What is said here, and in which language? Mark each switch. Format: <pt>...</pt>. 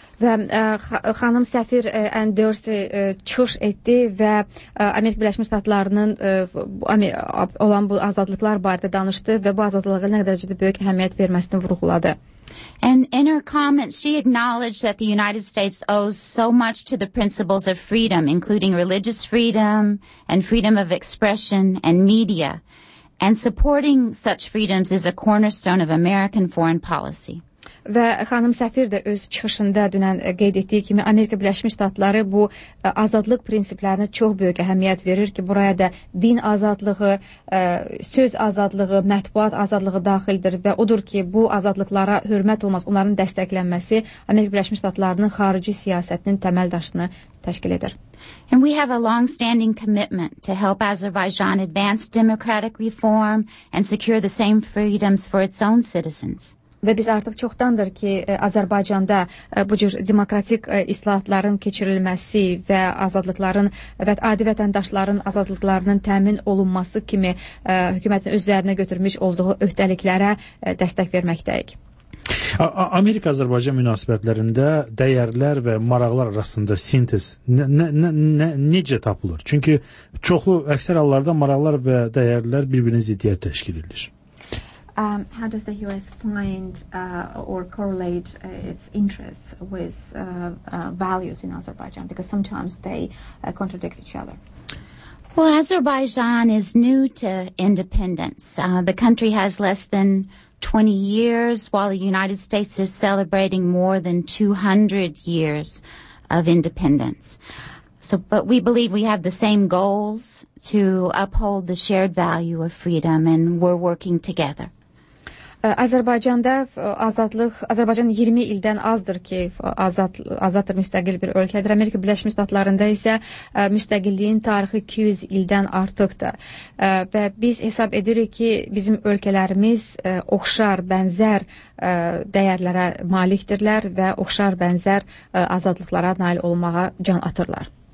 <az>Və xanım səfir Ann Dursey çıxış etdi və Amerika Birləşmiş Ştatlarının olan bu azadlıqlar barədə danışdı və bu azadlığa nə qədər böyük əhəmiyyət verməsini vurğuladı.</az> <en>And in her comments, she acknowledged that the United States owes so much to the principles of freedom, including religious freedom and freedom of expression and media. And supporting such freedoms is a cornerstone of American foreign policy.</en> <az>Və xanım səfir də öz çıxışında dünən qeyd etdiyi kimi Amerika Birləşmiş Ştatları bu azadlıq prinsiplərinə çox böyük əhəmiyyət verir ki, buraya da din azadlığı, söz azadlığı, mətbuat azadlığı daxildir və odur ki, bu azadlıqlara hörmət olmaz, onların dəstəklənməsi Amerika Birləşmiş Ştatlarının xarici siyasətinin təməl daşını təşkil edir.</az> <en>And we have a long-standing commitment to help Azerbaijan advance democratic reform and secure the same freedoms for its own citizens.</en> <az>Və biz artıq çoxdandır ki, Azərbaycanda bu cür demokratik islahatların keçirilməsi və azadlıqların və adi vətəndaşların azadlıqlarının təmin olunması kimi hökumətin üzərinə götürmüş olduğu öhdəliklərə dəstək verməkdəyik. Amerika-Azərbaycan münasibətlərində dəyərlər və maraqlar arasında sintez necə tapılır? Çünki çoxlu əksər hallarda maraqlar və dəyərlər bir-birinə ziddiyyət təşkil edir.</az> <en>How does the U.S. find or correlate its interests with values in Azerbaijan? Because sometimes they contradict each other. Well, Azerbaijan is new to independence. The country has less than 20 years, while the United States is celebrating more than 200 years of independence. So, but we believe we have the same goals to uphold the shared value of freedom, and we're working together.</en> <az>Azərbaycanda azadlıq, Azərbaycan 20 ildən azdır ki, azaddır, müstəqil bir ölkədir. Amerika Birləşmiş Ştatlarında isə müstəqilliyin tarixi 200 ildən artıqdır. Və biz hesab edirik ki, bizim ölkələrimiz oxşar, bənzər dəyərlərə malikdirlər və oxşar, bənzər azadlıqlara nail olmağa can atırlar.</az>